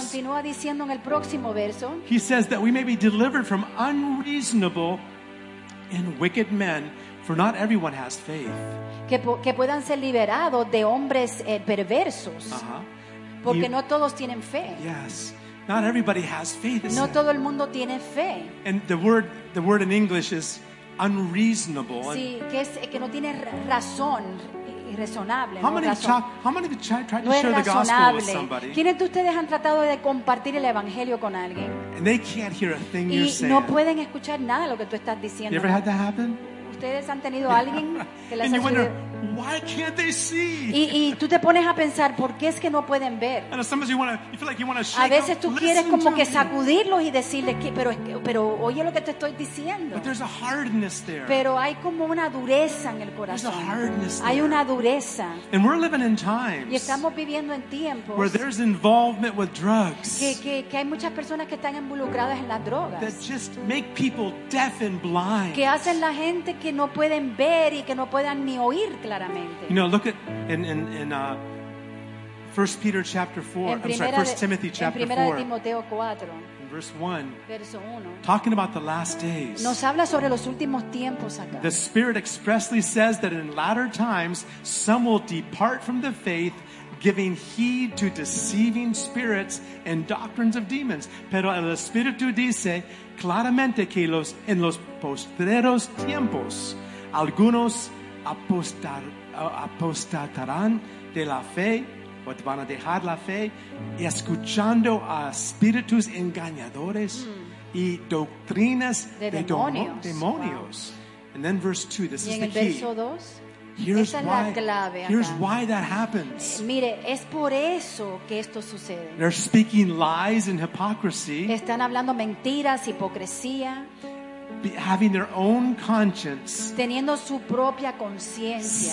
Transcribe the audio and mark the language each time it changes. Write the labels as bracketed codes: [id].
[es] Continúa diciendo en el próximo verso. [en] He says that we may be delivered from unreasonable and wicked men. For not everyone has faith. [es] Que puedan ser liberados de hombres perversos. Porque no todos tienen fe. [en] Yes. Not everybody has faith. [es] No todo el mundo tiene fe. [en] And the word in English is unreasonable. [es] Sí, que no tiene razón. Irrazonable. [en] How many have tried to share the gospel with somebody? [es] ¿Quiénes de ustedes han tratado de compartir el evangelio con alguien? [en] And they can't hear a thing you're saying. [es] Y no pueden escuchar nada lo que tú estás diciendo. [en] You ever had that happen? [es] ¿Ustedes han tenido alguien que les ha sucedido? [en] Why can't they see? [es] Y tú te pones a pensar, ¿por qué es que no pueden ver? A veces tú quieres como que sacudirlos y decirles que, pero oye lo que te estoy diciendo. [en] But there's a hardness there. [es] Pero hay como una dureza en el corazón. [en] There's a hardness there. [es] Hay una dureza. [en] And we're living in times. [es] Y estamos viviendo en tiempos. [en] Where there's involvement with drugs. [es] Que hay muchas personas que están involucradas en las drogas. [en] That just make people deaf and blind. [es] Que hacen la gente que no pueden ver y que no puedan ni oír. [en] You know, look at in 1 Peter chapter 4, I'm sorry, 1 Timothy chapter 4, [es] en 4 [en] in verse 1, [es] verso 1, [en] talking about the last days. [es] Nos habla sobre los últimos tiempos acá. [en] The Spirit expressly says that in latter times some will depart from the faith, giving heed to deceiving spirits and doctrines of demons. [es] Pero el Espíritu dice claramente que en los postreros tiempos algunos apostatarán de la fe, o van a dejar la fe, escuchando a espíritus engañadores y doctrinas de demonios. [en] Wow. And then verse 2, this is the key. [es] Verso 2, [en] here's [es] esa [en] why, [es] es la clave acá. [en] Here's why that happens. [es] Mire, es por eso que esto sucede. [en] They're speaking lies and hypocrisy. [es] Están hablando mentiras, hipocresía. [en] Having their own conscience, [es] teniendo su propia conciencia,